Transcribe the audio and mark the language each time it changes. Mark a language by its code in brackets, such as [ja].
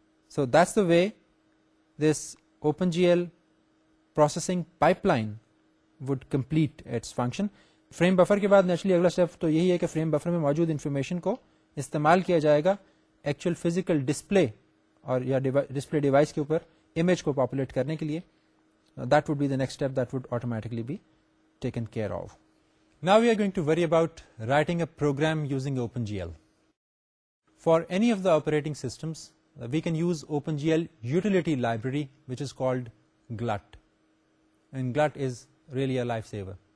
[en] So that's the way this OpenGL processing pipeline would complete its function. [ur] Frame buffer کے بعد naturally اگلا step تو یہی ہے کہ فریم بفر میں موجود انفارمیشن کو استعمال کیا جائے گا ایکچوئل فزیکل ڈسپلے اور یا ڈسپلے ڈیوائس کے اوپر امیج کو پاپولیٹ کرنے کے لیے. [en] That would be the next step that would automatically be taken care of. Now we are going to worry about writing a program using OpenGL. For any of the operating systems we can use OpenGL utility library which is called GLUT, and GLUT is really a lifesaver.